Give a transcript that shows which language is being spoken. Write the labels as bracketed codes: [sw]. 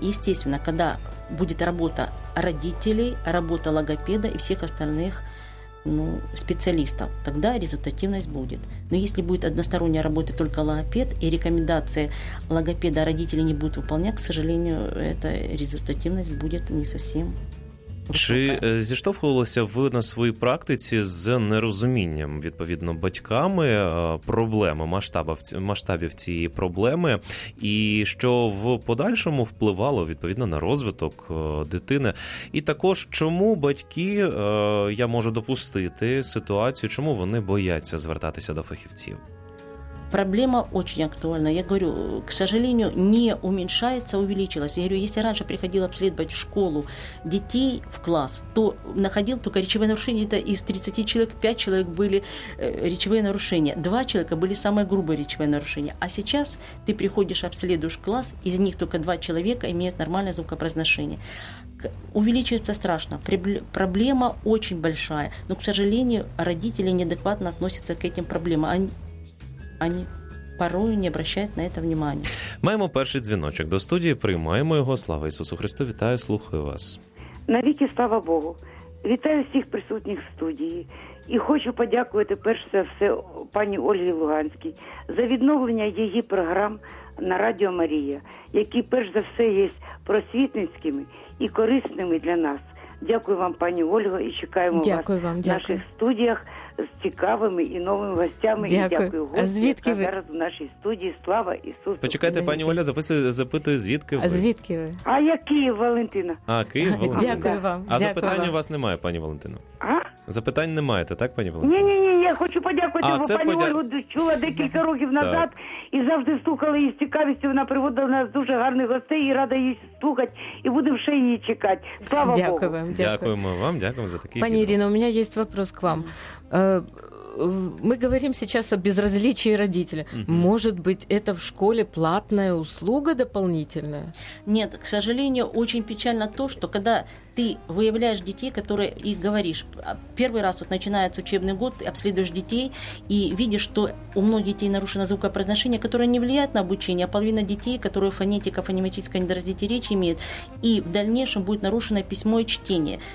[ru] Естественно, когда будет работа родителей, работа логопеда и всех остальных, ну, специалистов, тогда результативность будет. Но если будет односторонняя работа только логопед, и рекомендации логопеда родители не будут выполнять, к сожалению, эта результативность будет не совсем. [uk] Чи зіштовхувалися ви на своїй практиці з нерозумінням, відповідно, батьками проблеми, масштабів цієї проблеми, і що в подальшому впливало, відповідно, на розвиток дитини? І також, чому батьки, я можу допустити ситуацію, чому вони бояться звертатися до фахівців? [ru] Проблема очень актуальна. Я говорю, к сожалению, не уменьшается, увеличилась. Я говорю, если раньше приходил обследовать в школу детей, в класс, то находил только речевые нарушения. Это из 30 человек, 5 человек были речевые нарушения. 2 человека были самые грубые речевые нарушения. А сейчас ты приходишь, обследуешь класс, из них только 2 человека имеют нормальное звукопроизношение. Увеличивается страшно. Проблема очень большая. Но, к сожалению, родители неадекватно относятся к этим проблемам. [uk] Ані порою не обращають на це внимання. Маємо перший дзвіночок до студії. Приймаємо його. Слава Ісусу Христу. Вітаю, слухаю вас. Навіки слава Богу. Вітаю всіх присутніх в студії. І хочу подякувати перш за все пані Ользі Луганській за відновлення її програм на Радіо Марія, які перш за все є просвітницькими і корисними для нас. Дякую вам, пані Ольго, і чекаємо вас в наших студіях з цікавими і новими гостями. Дякую. І дякую гостям. А звідки ви? Зараз в нашій студії. Слава Ісусу. Почекайте, пані Оля, запитую, звідки ви? А звідки ви? А я Київ, Валентина. А, Київ, Валентина. Дякую вам. А запитань у вас немає, пані Валентина? А? Запитань не маєте, так, пані Валентина? Ні, я хочу подякувати, бо пані Ольгу чула декілька років назад і завжди слухала її з цікавістю. Вона приводила нас дуже гарних гостей і рада її слухати. І будемо ще її чекати. Слава Богу. Дякую. Дякуємо вам, дякуємо за такий. Пані Ірино, у мене є [ru] вопрос к вам. мы говорим сейчас о безразличии родителя. Угу. Может быть, это в школе платная услуга дополнительная? Нет, к сожалению, очень печально то, что когда ты выявляешь детей, которые и говоришь, первый раз вот начинается учебный год, ты обследуешь детей и видишь, что у многих детей нарушено звукопроизношение, которое не влияет на обучение, а половина детей, которые фонетика, фонематическое недоразвитие речи имеют, и в дальнейшем будет нарушено письмо и чтение.